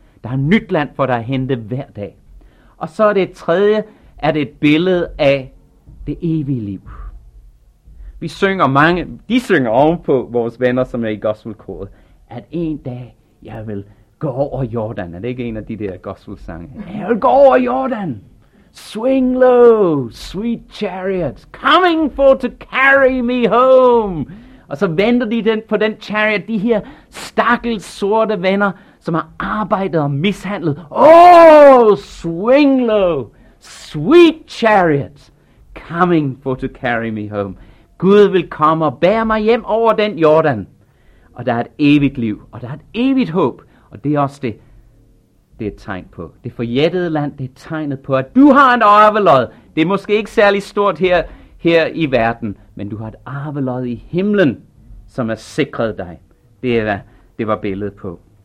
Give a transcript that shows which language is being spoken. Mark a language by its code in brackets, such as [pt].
[da] Der er nyt land for dig at hente hver dag. Og så er det tredje, er det et billede af det evige liv. Vi synger mange, de synger ovenpå vores venner, som er i gospelkoret, at en dag jeg vil gå over Jordan. Er det ikke en af de der gospelsange? Jeg vil gå over Jordan. [en] Swing low, sweet chariots, coming for to carry me home. [da] Og så venter de den, på den chariot, de her stakkels sorte venner, som har arbejdet og mishandlet. [en] Oh, swing low, sweet chariot, coming for to carry me home. [da] Gud vil komme og bære mig hjem over den Jordan. Og der er et evigt liv, og der er et evigt håb. Og det er også det, det er et tegn på. Det forjættede land, det er tegnet på, at du har en arvelod. Det er måske ikke særlig stort her i verden, men du har et arvelod i himlen, som er sikret dig. Det var billedet på.